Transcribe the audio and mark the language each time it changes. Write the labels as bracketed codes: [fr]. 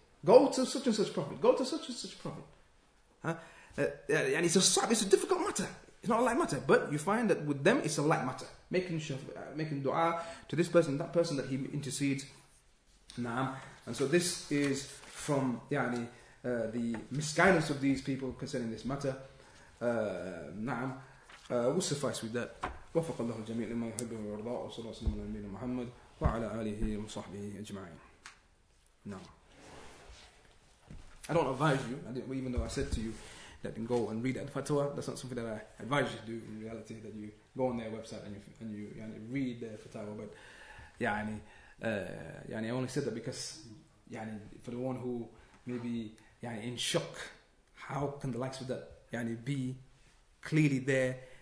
[en] Go to such and such prophet. Go to such and such prophet. And it's a sa'b. It's a difficult matter. It's not a light matter. But you find that with them, it's a light matter. Making dua to this person, that person that he intercedes. Naam. And so this is from the misguidance of these people concerning this matter. Naam. We'll suffice with that. [ar] وفق الله الجميع لما يحبه ويرضى وصلى الله وسلم على نبينا محمد وعلى آله وصحبه أجمعين. [en] Now, I don't advise you. Even though I said to you that you go and read that fatwa, that's not something that I advise you to do. In reality, that you go on their website and you read the fatwa. But I only said that because for the one who may be in shock, how can the likes of that be clearly there?